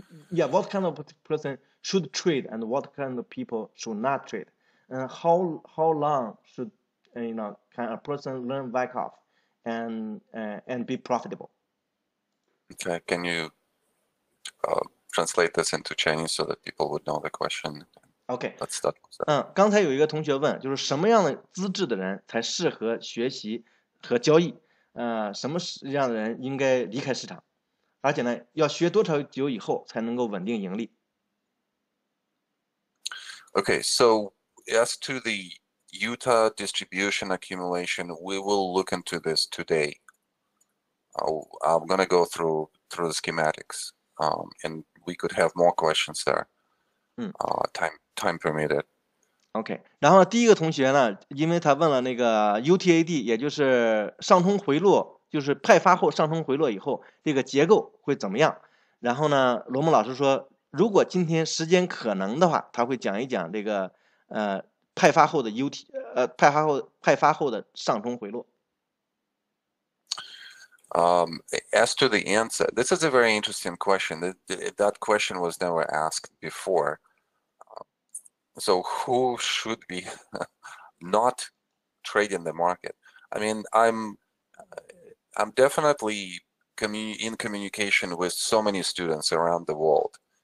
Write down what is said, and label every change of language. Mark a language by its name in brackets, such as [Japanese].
[English] Yeah, what kind of person should trade and what kind of people should not trade? How long should can a person learn Wyckoff and be profitable? Okay, can you translate this into Chinese so that people would know the question? Okay. Let's start. [Chinese] 刚才有一个同学问，就是什么样的资质的人才适合学习和交易？什么样的人应该离开市场？而且呢，要学多少久以后才能够稳定盈利 [English] ？Okay, so as to the Utah distribution accumulation, we will look into this today. I'm going to go through the schematics, and we could have more questions there. Time permitted. Okay. [Chinese] 然后第一个同学呢，因为他问了那个 UTAD， 也就是上冲回落，就是派发后上冲回落以后这个结构会怎么样？然后呢，罗木老师说，如果今天时间可能的话，他会讲一讲这个派发后的 派发后的上冲回落。 [English] As to the answer, this is a very interesting question. That question was never asked before. So who should be not trading the market? I mean, I'm definitely in communication with so many students around the world.